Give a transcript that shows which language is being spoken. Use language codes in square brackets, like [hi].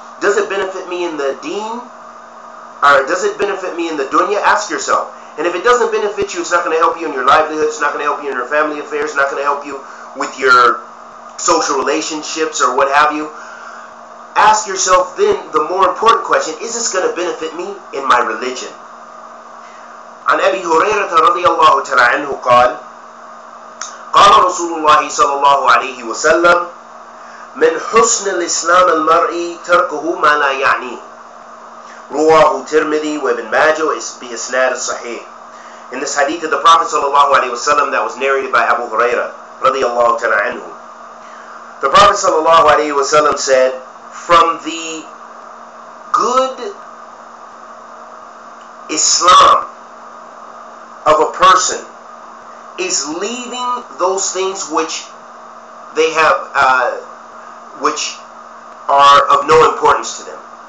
[en] Does it benefit me in the deen? Or does it benefit me in the dunya? Ask yourself. And if it doesn't benefit you, it's not going to help you in your livelihood, it's not going to help you in your family affairs, it's not going to help you with your social relationships or what have you. Ask yourself then the more important question, is this going to benefit me in my religion? [ar] عن أبي هريرة رضي الله تعالى عنه قال قال رسول الله صلى الله عليه وسلم من حسن الإسلام المرء تركه ما لا يعنيه رواه ترمذي وابن ماجه بإسناد صحيح. [en] In this hadith of the Prophet sallallahu alaihi wasallam that was narrated by Abu Huraira radiyallahu ta'ala anhu, the Prophet sallallahu alaihi wasallam said, from the good Islam of a person is leaving those things which they have, which are of no importance to them.